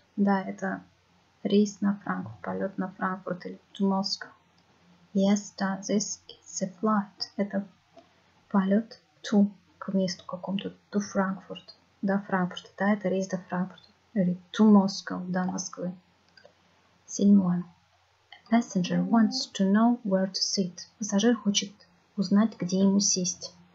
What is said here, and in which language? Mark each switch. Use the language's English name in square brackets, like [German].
[Russian] Да, это рейс на Франкфурт, полет на Франкфурт или [English] to Moscow. Yes, [Russian] да, [English] this is the flight. [Russian] Это полет to, к месту какому-то, [English] to Frankfurt. [Russian] Да, Франкфурт. Да, это рейс до Франкфурта. Или [English] to Moscow, [Russian] до Москвы. Седьмое. [English] A passenger wants to know where to sit. [Russian] Пассажир хочет узнать, где ему сесть.